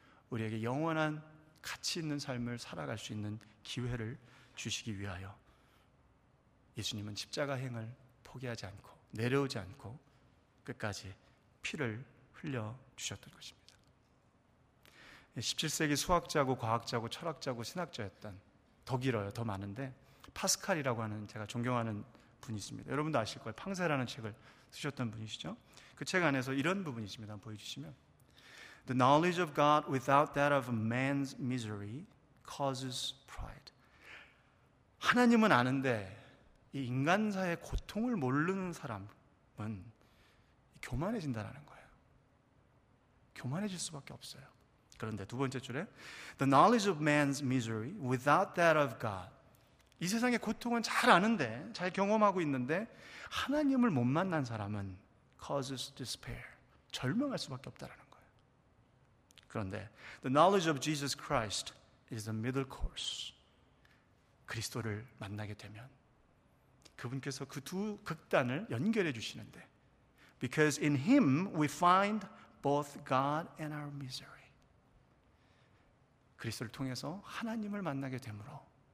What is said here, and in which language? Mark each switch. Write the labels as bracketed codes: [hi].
[ko] 우리에게 영원한 가치 있는 삶을 살아갈 수 있는 기회를 주시기 위하여 예수님은 십자가 행을 포기하지 않고 내려오지 않고 끝까지 피를 흘려주셨던 것입니다. 17세기 수학자고 과학자고 철학자고 신학자였던 더 길어요. 더 많은데 파스칼이라고 하는 제가 존경하는 분이 있습니다. 여러분도 아실 거예요. 팡세라는 책을 쓰셨던 분이시죠. 그 책 안에서 이런 부분이 있습니다. 한번 보여주시면 [en] The knowledge of God without that of man's misery causes pride. [ko] 하나님은 아는데 이 인간사의 고통을 모르는 사람은 교만해진다라는 거예요. 교만해질 수밖에 없어요. 그런데 두 번째 줄에 [en] The knowledge of man's misery without that of God. [ko] 이 세상의 고통은 잘 아는데, 잘 경험하고 있는데 하나님을 못 만난 사람은 [en] causes despair, [ko] 절망할 수밖에 없다라는 거예요. 그런데 [en] The knowledge of Jesus Christ is the middle course. [ko] 그리스도를 만나게 되면 그분께서 그 두 극단을 연결해 주시는데 [en] Because in him we find both God and our misery. [ko] 그리스도를 통해서 하나님을 만나게 되므로